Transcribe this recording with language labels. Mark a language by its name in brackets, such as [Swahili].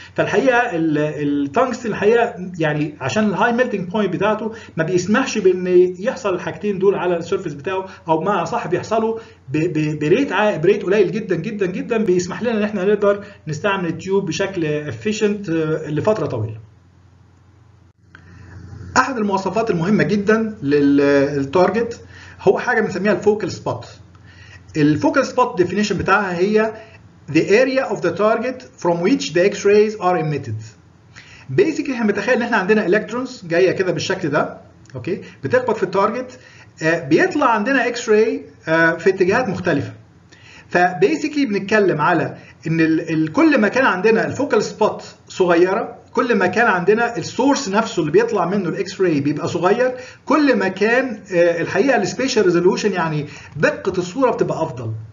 [Arabic] فالحقيقه التنجستن الحقيقه يعني عشان الهاي ميلتنج بوينت بتاعته ما بيسمحش بان يحصل الحاجتين دول على السيرفيس بتاعه، او ما صح بيحصلوا بريت قليل جدا جدا جدا بيسمح لنا ان احنا نقدر نستعمل التيوب بشكل افيشنت لفتره طويله. احد المواصفات المهمه جدا للتارجت هو حاجه بنسميها الفوكال سبوت. الفوكال سبوت ديفينيشن بتاعها هي [English] the area of the target from which the x-rays are emitted. [Arabic] basically احنا متخيل ان احنا عندنا electrons جايه كده بالشكل ده، اوكي، بتخبط في التارجت، بيطلع عندنا x-ray في اتجاهات مختلفه. فبيسيكلي بنتكلم على ان كل ما كان عندنا الفوكال سبوت صغيره، كل ما كان عندنا السورس نفسه اللي بيطلع منه الاكس راي بيبقى صغير، كل ما كان الحقيقه السبيشال ريزولوشن يعني دقه الصوره بتبقى افضل.